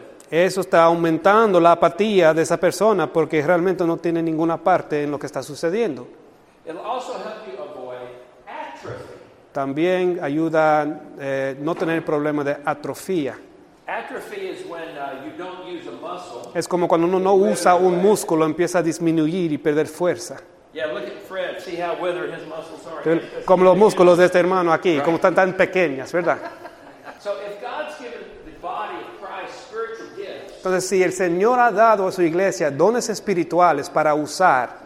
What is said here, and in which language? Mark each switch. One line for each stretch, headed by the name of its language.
Spanish: Eso está aumentando la apatía de esa persona porque realmente no tiene ninguna parte en lo que está sucediendo.
English: It'll also help you avoid atrophy.
Spanish: También ayuda a no tener problemas de atrofia.
English: Atrophy is when you don't use a muscle.
Spanish: Es como cuando uno no usa un músculo, empieza a disminuir y perder fuerza.
English: Yeah, look at Fred. See how withered his muscles are.
Spanish: Pero, como los músculos de este hermano aquí, right. Como están tan pequeñas, ¿verdad?
English: So if God's given the body of Christ spiritual gifts,
Spanish: entonces, si el Señor ha dado a su iglesia dones espirituales para usar,